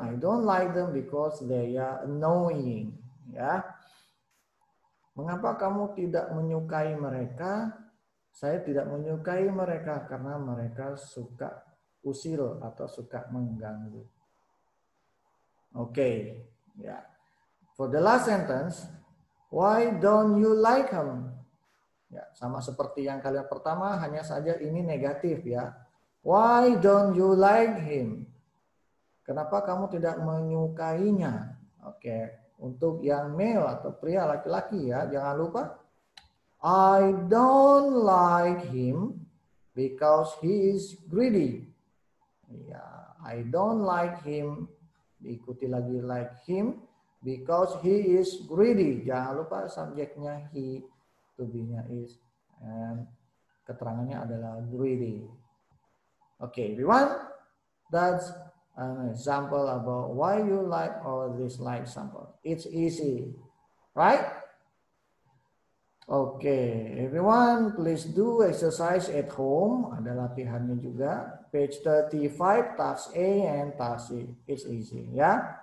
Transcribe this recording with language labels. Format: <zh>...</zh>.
<en>I don't like them because they are annoying.</en> <id>Ya. Mengapa kamu tidak menyukai mereka? Saya tidak menyukai mereka karena mereka suka usil atau suka mengganggu. Oke, okay. Ya. Yeah.</id> <en>For the last sentence, why don't you like him?</en> <id>Ya, yeah, sama seperti yang kalian pertama, hanya saja ini negatif ya.</id> <en>Why don't you like him?</en> <id>Kenapa kamu tidak menyukainya? Oke, okay. Untuk yang male atau pria laki-laki ya, jangan lupa.</id> <en>I don't like him because he is greedy. Yeah, I don't like him.</en> <id>Diikuti lagi</id> <en>like him because he is greedy.</en> <id>Jangan lupa subjeknya he, tubuhnya is, and keterangannya adalah greedy.</id> <en>Okay, everyone, that's an example about why you like or dislike someone. It's easy, right? Okay, everyone, please do exercise at home.</en> <id>Ada latihannya juga.</id> <en>Page 35, task A and task C. It's easy, ya. Yeah?</en>